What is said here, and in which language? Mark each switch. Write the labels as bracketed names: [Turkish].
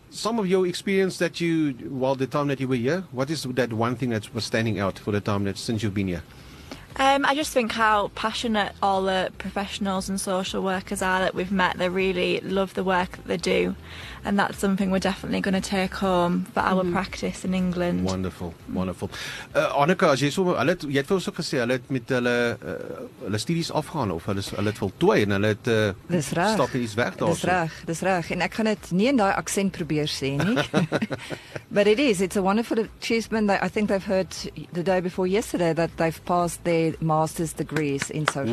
[English] Some of your experience that you, while the time that you were here, what is that one thing that was standing out for the time that since you've been here? I just think how passionate all the professionals and social workers are that we've met. They really love the work that they do. And that's something we're definitely going to take home for our practice in England. Wonderful, wonderful. [Afrikaans] Hanneke, as jy so, jy het vir ons ook gesê, hulle het met hulle studies afgaan, of hulle het voltooi en hulle het stap iets weg daar. Dis reg. En ek gaan dit nie in daai aksent probeer sê nie. [English] But it is, it's a wonderful achievement. I think they've heard the day before yesterday that they've passed their master's degrees in social